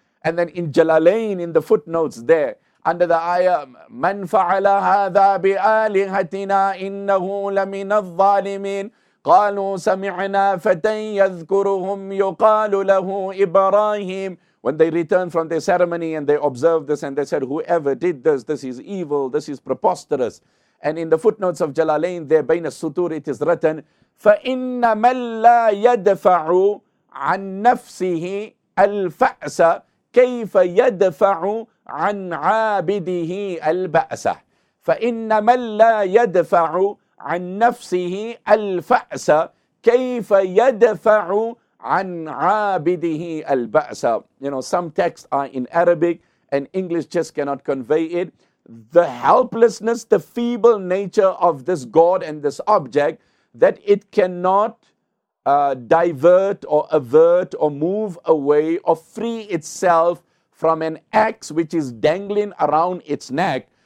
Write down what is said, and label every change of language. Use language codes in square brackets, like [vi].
[en] And then in Jalalain, in the footnotes there, under the ayah, [ar] مَنْ فَعَلَ هَذَا بِآلِهَتِنَا إِنَّهُ لَمِنَ الظَّالِمِينَ قَالُوا سَمِعْنَا فَتَنْ يَذْكُرُهُمْ يُقَالُ لَهُ إِبْرَاهِيمُ. [en] When they returned from their ceremony and they observed this, and they said, whoever did this, this is evil, this is preposterous. And in the footnotes of Jalalain, there, بين السطور, it is written, [ar] فَإِنَّمَا لَا يَدْفَعُ عَنْ نَفْسِهِ الْفَأْسَ كَيْفَ يَدْفَعُ عَنْ عَابِدِهِ الْبَأْسَ فَإِنَّمَا لَا يَدْفَعُ عَنْ نَفْسِهِ الْفَأْسَ كَيْفَ يَدْفَعُ عَنْ عَابِدِهِ الْبَأْسَ. [en] You know, some texts are in Arabic and English just cannot convey it. The helplessness, the feeble nature of this God and this object, that it cannot divert or avert or move away or free itself from an axe which is dangling around its neck.